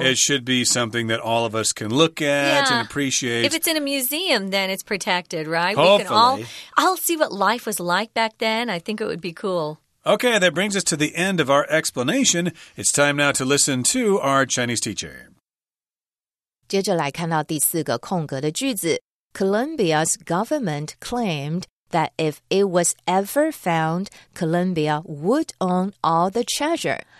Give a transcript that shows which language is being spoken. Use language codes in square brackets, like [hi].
[en] It should be something that all of us can look at and appreciate. If it's in a museum, then it's protected, right? Hopefully. I'll see what life was like back then. I think it would be cool. Okay, that brings us to the end of our explanation. It's time now to listen to our Chinese teacher. [zh] 接着来看到第四个空格的句子。 [en] Colombia's government claimed that if it was ever found, Colombia would own all the treasure.